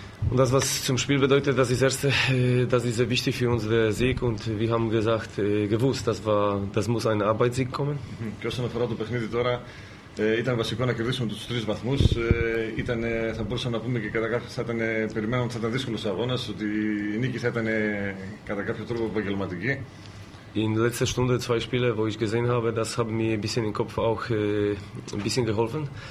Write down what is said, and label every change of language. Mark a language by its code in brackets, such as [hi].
[de] Und das, was zum Spiel bedeutet, das ist erst, das ist sehr wichtig für uns, der Sieg. Und wir haben gesagt, gewusst, das muss ein Arbeitssieg kommen. [el] Και όσον αφορά το παιχνίδι τώρα, ήταν βασικό να κερδίσουμε τους τρεις βαθμούς. Θα μπορούσαμε να πούμε και κατά κάποιο θα ήταν, περιμένουμε ότι θα ήταν δύσκολος αγώνας, ότι η νίκη θα ήταν κατά κάποιο τρόπο επαγγελματική. [de] In letzter Stunde zwei Spiele, wo ich gesehen habe, das hat mir ein bisschen im Kopf auch ein bisschen geholfen.